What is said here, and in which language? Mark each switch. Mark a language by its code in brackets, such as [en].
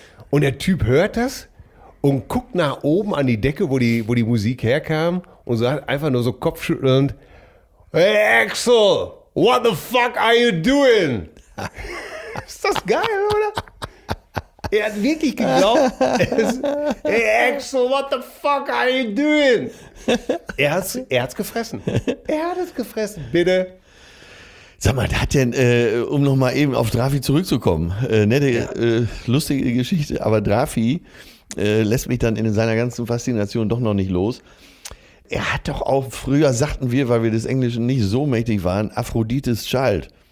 [de] Und der Typ hört das und guckt nach oben an die Decke, wo die Musik herkam, und sagt einfach nur so kopfschüttelnd: [en] Hey Axel, what the fuck are you doing? [de] Ist das geil, oder? Er hat wirklich geglaubt. [en] Hey Axel, what the fuck are you doing? [de] Er hat es gefressen, bitte. Sag mal, um nochmal eben auf Drafi zurückzukommen, lustige Geschichte, aber Drafi lässt mich dann in seiner ganzen Faszination doch noch nicht los. Er hat doch auch, früher sagten wir, weil wir des Englischen nicht so mächtig waren, Aphrodites Child.